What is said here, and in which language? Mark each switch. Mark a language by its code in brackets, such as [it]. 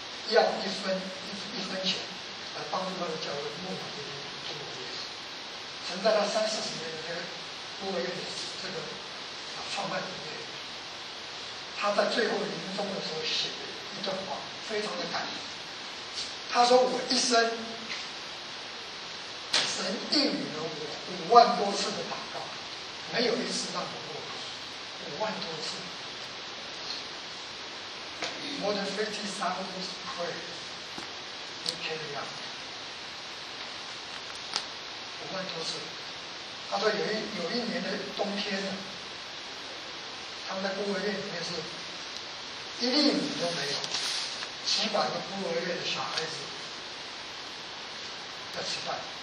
[zh] 要一分钱来帮助他的教会牧养这些孤儿院，曾在他三四十年的这个孤儿院的这个创办里面，他在最后临终的时候写的一段话，非常的感人。他说：“我一生，神应允了我50000多次的祷告，没有一次让我落空，50000多次。” [en] More than 50,000 prayers we carry out. [zh] 50000多次。他说有一年的冬天呢，他们在孤儿院里面是一粒米都没有，几百个孤儿院的小孩子在吃饭。